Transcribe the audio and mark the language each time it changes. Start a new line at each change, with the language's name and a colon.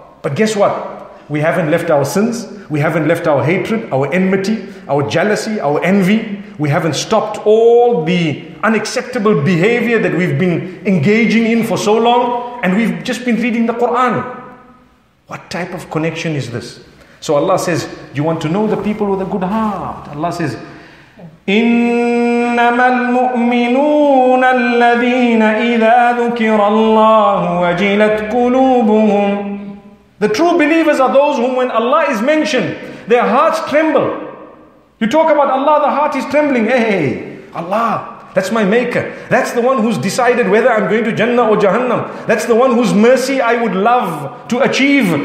English: But guess what? We haven't left our sins. We haven't left our hatred, our enmity, our jealousy, our envy. We haven't stopped all the unacceptable behavior that we've been engaging in for so long. And we've just been reading the Quran. What type of connection is this? So Allah says, you want to know the people with a good heart. Allah says,
Arabic: إنما المؤمنون الذين إذا ذكر الله وجلت قلوبهم.
English: The true believers are those whom when Allah is mentioned, their hearts tremble. You talk about Allah, the heart is trembling. Hey, Allah, that's my maker. That's the one who's decided whether I'm going to Jannah or Jahannam. That's the one whose mercy I would love to achieve.